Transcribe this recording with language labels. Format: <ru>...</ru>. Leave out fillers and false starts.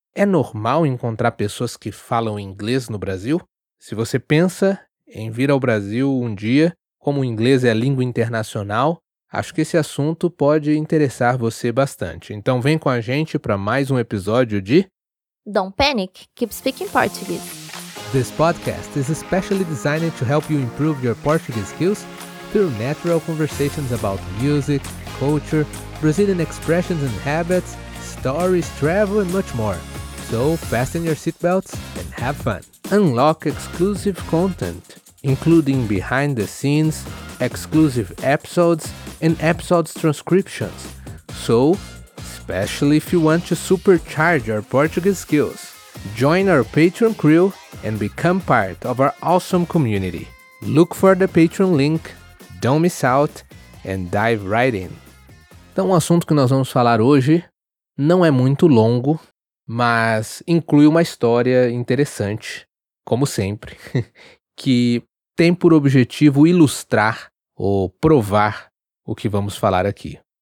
<pt>É normal encontrar pessoas que falam inglês no Brasil? Se você pensa em vir ao Brasil um dia, como o inglês é a língua internacional, acho que esse assunto pode interessar você bastante. Então vem com a gente para mais um episódio de...</pt> <en>Don't panic, keep speaking Portuguese. This podcast is especially designed to help you improve your Portuguese skills through natural conversations about music, culture, Brazilian expressions and habits, stories, travel and much more. So, fasten your seatbelts and have fun. Unlock exclusive content, including behind the scenes, exclusive episodes and episodes transcriptions. So, especially if you want to supercharge your Portuguese skills. Join our Patreon crew and become part of our awesome community. Look for the Patreon link, don't miss out, and dive right in.</en> <pt>Então, o assunto que nós vamos falar hoje não é muito longo, mas inclui uma história interessante, como sempre, que tem por objetivo ilustrar ou provar o que vamos falar aqui.</pt>